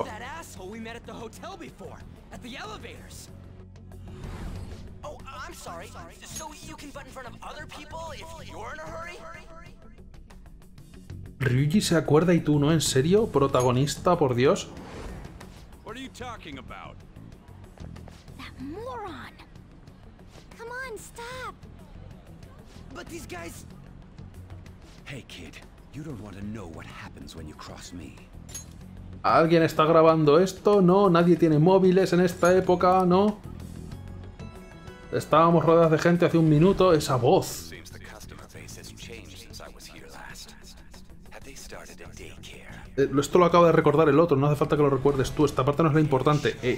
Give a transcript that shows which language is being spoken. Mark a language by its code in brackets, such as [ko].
[en] You're that asshole we met at the hotel before, at the elevators. Oh, I'm sorry. So you can butt in front of other people if you're in a hurry? [es] Ryuji se acuerda y tú no, ¿en serio? Protagonista, por Dios. [en] What are you talking about? That moron! Come on, stop! But these guys... Hey, kid. You don't want to know what happens when you cross me. [es] ¿Alguien está grabando esto? No, nadie tiene móviles en esta época, ¿no? Estábamos rodeados de gente hace un minuto. Esa voz. [en] Seems the customer base has changed since I was here last. Have they started a daycare? [es] Esto lo acaba de recordar el otro, no hace falta que lo recuerdes tú, esta parte no es la importante.